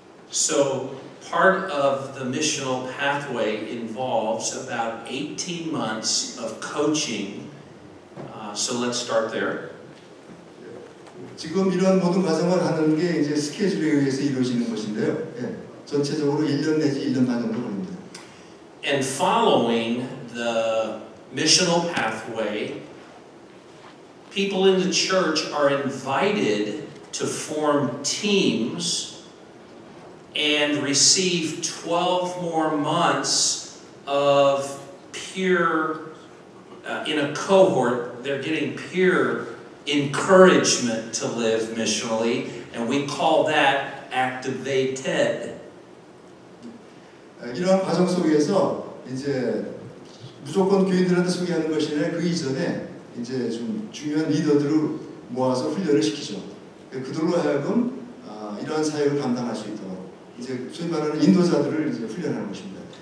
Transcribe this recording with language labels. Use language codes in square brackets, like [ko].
[en] So part of the missional pathway involves about 18 months of coaching. So let's start there. [ko] 지금 이런 모든 과정을 하는 게 이제 스케줄에 의해서 이루어지는 것인데요. 예. 전체적으로 1년 내지 1년 반 정도 걸립니다. [en] And following the missional pathway, people in the church are invited to form teams and receive 12 more months of peer in a cohort. They're getting peer encouragement to live missionally, and we call that activated. [ko] 이러한 과정 속에서 이제 무조건 교인들한테 소개하는 것이 아니라 그 이전에 이제 좀 중요한 리더들을 모아서 훈련을 시키죠. 그들로 하여금 이러한 사역을 감당할 수 있도록 이제 소위 말하는 인도자들을 이제 훈련하는 것입니다.